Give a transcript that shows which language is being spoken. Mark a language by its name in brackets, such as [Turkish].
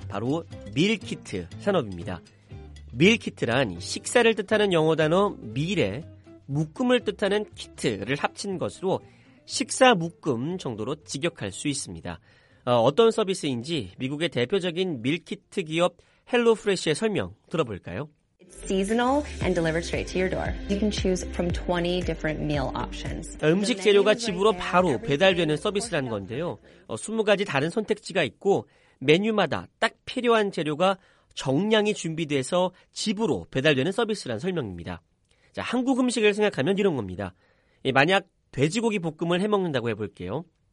[Korean] 바로 밀키트 산업입니다. 밀키트란 식사를 뜻하는 영어 단어 밀에 묶음을 뜻하는 키트를 합친 것으로 식사 묶음 정도로 직역할 수 있습니다. 어떤 서비스인지 미국의 대표적인 밀키트 기업 헬로프레쉬의 설명 들어볼까요? [English] It's seasonal and delivered straight to your door. You can choose from 20 different meal options. [Korean] 음식 재료가 집으로 바로 배달되는 서비스라는 건데요. 20가지 다른 선택지가 있고 메뉴마다 딱 필요한 재료가 정량이 준비돼서 집으로 배달되는 서비스란 설명입니다. 자, 한국 음식을 생각하면 이런 겁니다. 만약 돼지고기 볶음을 해먹는다고 해볼게요.